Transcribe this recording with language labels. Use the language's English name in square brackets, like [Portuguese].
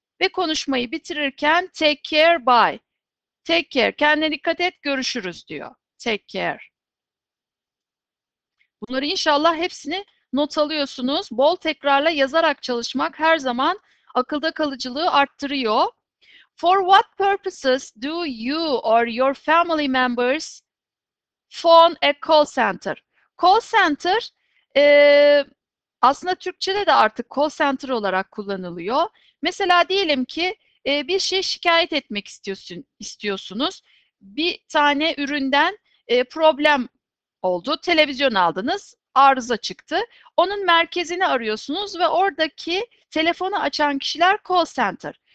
[Turkish] Ve konuşmayı bitirirken [English] take care, bye. Take care, [Turkish] kendine dikkat et, görüşürüz diyor. [English] Take care. [Turkish] Bunları inşallah hepsini not alıyorsunuz. Bol tekrarla yazarak çalışmak her zaman akılda kalıcılığı arttırıyor. [English] For what purposes do you or your family members phone a call center? [Turkish] Call center aslında Türkçe'de de artık call center olarak kullanılıyor. Mesela diyelim ki bir şey şikayet etmek istiyorsunuz. Bir tane üründen problem oldu. Televizyon aldınız, arıza çıktı. Onun merkezini arıyorsunuz ve oradaki telefonu açan kişiler call center.